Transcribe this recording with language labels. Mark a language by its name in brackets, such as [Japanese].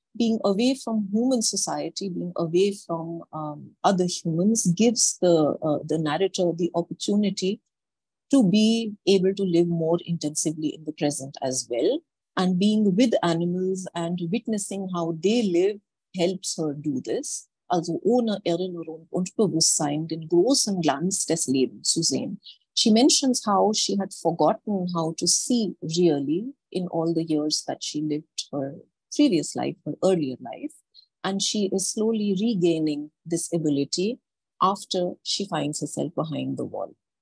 [English] Being away from human society, being away from other humans, gives the narrator the opportunity to be able to live more intensively in the present as well. And being with animals and witnessing how they live helps her do this. [German] Also ohne Erinnerung und Bewusstsein den großen Glanz des Lebens zu sehen. [English] She mentions how she had forgotten how to see really in all the years that she lived her previous life, her earlier life. And she is slowly regaining this ability after she finds herself behind the wall.